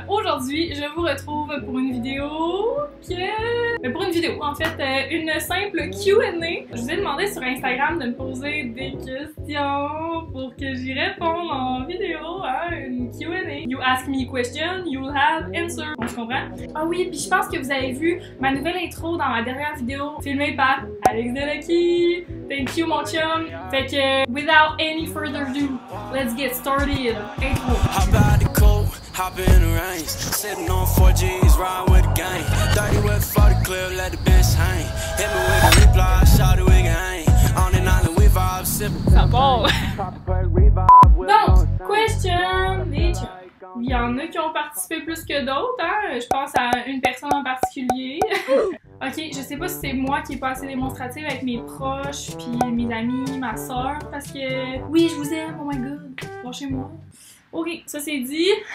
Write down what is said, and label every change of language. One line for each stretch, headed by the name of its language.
French: Aujourd'hui, je vous retrouve pour une vidéo. Pour une vidéo, en fait, une simple Q&A. Je vous ai demandé sur Instagram de me poser des questions pour que j'y réponde en vidéo à une Q&A.
English: You ask me question, you'll have answer.
French: On se comprend? Ah oui, puis je pense que vous avez vu ma nouvelle intro dans ma dernière vidéo filmée par Alex Delucky.
English: Thank you,
French: mon chum. Fait que,
English: without any further ado, let's get started. Intro. Hopping the range, sitting on 4G's, riding with the gang. 30 with 40 clear, let the bitch hang. Hit me with a reply, shout it, we can hang. On and on, we vibe, sipping.
French: Ça bon. Donc, question, nature. Il y en a qui ont participé plus que d'autres, hein. Je pense à une personne en particulier. Ok, je sais pas si c'est moi qui ai pas assez démonstrative avec mes proches, puis mes amis, ma soeur, parce que. Oui, je vous aime, oh my god. Bon, chez moi. Ok, ça c'est dit.